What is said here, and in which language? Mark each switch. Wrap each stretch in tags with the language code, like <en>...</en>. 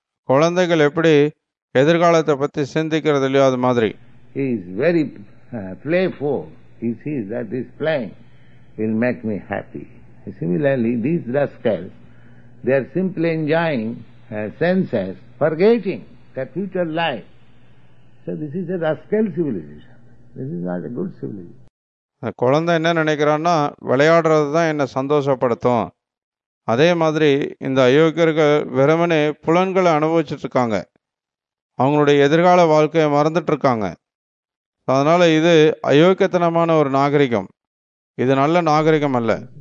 <ta>குழந்தைகள் எப்படி எதிர்காலத்தை பத்தி சிந்திக்கிறது இல்லையோ அது மாதிரி.</ta> <en>He is very playful. He sees that this playing will make me happy. Similarly, these rascals, they are simply enjoying senses, forgetting their future life. So this is a rascal civilization. This is not a good civilization.</en> <ta>குழந்தை என்ன நினைக்கிறான்னா, விளையாடுறது தான் என்ன சந்தோஷப்படுத்தும். அதே மாதிரி இந்த அயோக்கியர்கள் வெறுமனே புலன்களை அனுபவிச்சுட்டு இருக்காங்க, அவங்களுடைய எதிர்கால வாழ்க்கையை மறந்துட்டு இருக்காங்க. அதனால இது அயோக்கியத்தனமான ஒரு நாகரிகம், இது நல்ல நாகரிகம் அல்ல.</ta>